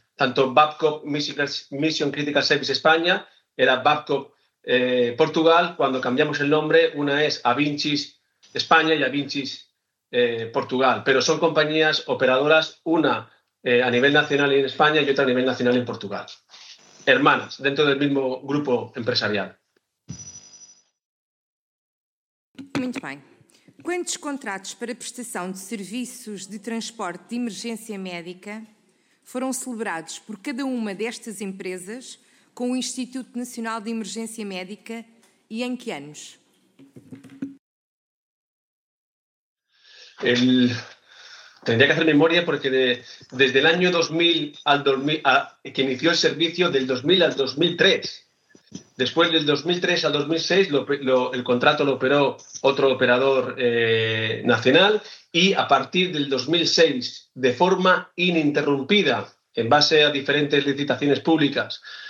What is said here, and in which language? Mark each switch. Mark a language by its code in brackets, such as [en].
[es] Tanto Babcock Mission Critical Service España, era Babcock Portugal, cuando cambiamos el nombre, una es Avincis España y Avincis Portugal. Pero son compañías operadoras, una a nivel nacional en España y otra a nivel nacional en Portugal. Hermanas, dentro del mismo grupo empresarial. [pt] Muito bem. Quantos contratos para prestação de serviços de transporte de emergência médica foram celebrados por cada uma destas empresas com o Instituto Nacional de Emergência Médica e em que anos? [es] Tendría que hacer memoria porque desde el año 2000 al 2000, que inició el servicio, del 2000 al 2003. Después del 2003 al 2006 el contrato lo operó otro operador nacional y a partir del 2006, de forma ininterrumpida, en base a diferentes licitaciones públicas,